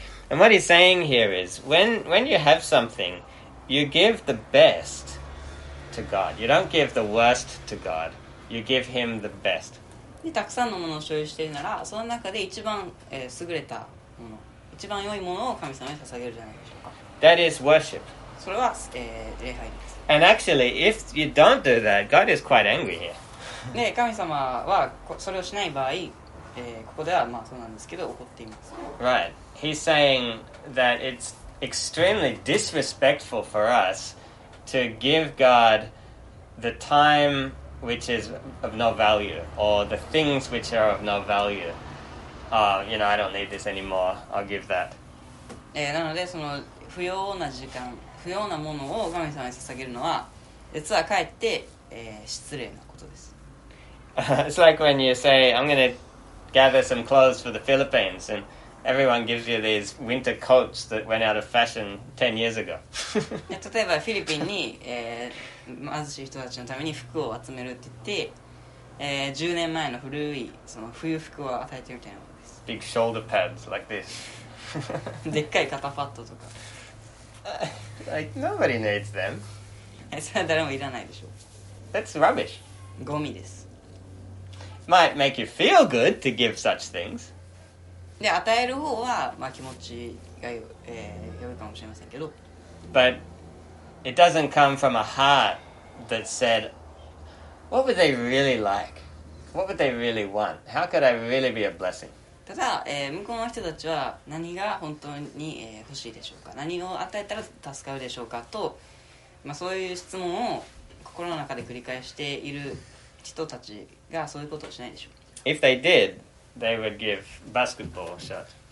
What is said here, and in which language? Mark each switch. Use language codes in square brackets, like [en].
[en] And what he's saying here is, when you have something, you give the best to God. You don't give the worst to God. You give him the best. [ja] でたくさんのものを所有しているならその中で一番、優れたもの一番良いものを神様に捧げるじゃないでしょうか [en] That is worship. [ja] それは、礼拝です [en] And actually, if you don't do that, God is quite angry here. [ja] で神様はそれをしない場合、ここではそうなんですけど怒っています [en] Right. He's saying that it's extremely disrespectful for us to give God the timewhich is of no value, or the things which are of no value. I don't need this anymore, I'll give that. [ja] なので、その不要な時間、不要なものを神様に捧げるのは、実はかえって、失礼なことです。 [en] It's like when you say, I'm going to gather some clothes for the Philippines, and everyone gives you these winter coats that went out of fashion 10 years ago. [ja] 例えば、フィリピンに、貧しい人たちのために服を集めるって言って、10年前の古いその冬服を与えてみたいなものです。 [en] Big shoulder pads like this. [ja] でっかい肩パッドとか。 [en] Like, nobody needs them. [ja] それは誰もいらないでしょう。 [en] That's rubbish. [ja] ゴミです。 [en] Might make you feel good to give such things. [ja] で、与える方は気持ちが良いかもしれませんけど。 [en] But... It doesn't come from a heart that said, what would they really like? What would they really want? How could I really be a blessing? [ja] ただ、向こうの人たちは何が本当に、欲しいでしょうか何を与えたら助かるでしょうかと、そういう質問を心の中で繰り返している人たちがそういうことをしないでしょう [en] If they did, they would give basketball shots.